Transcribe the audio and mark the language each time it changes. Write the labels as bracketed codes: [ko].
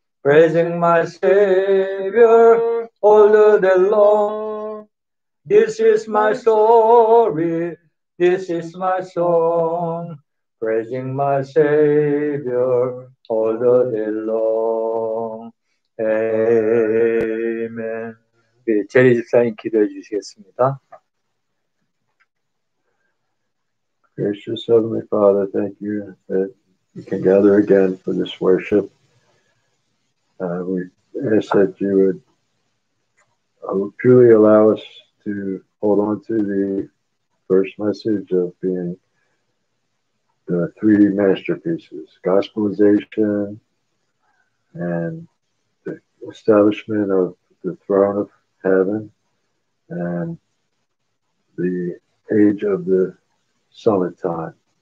[en] Praising my Savior all the day long. This is my story, this is my song. Praising my Savior all the day long. Amen. [ko] 네, 제리 집사님 기도해 주시겠습니다. [en] Gracious Heavenly Father, thank you that we can gather again for this worship. We ask that you would truly allow us to hold on to the first message of being the three masterpieces, gospelization and the establishment of the throne of heaven and the age of the summertime.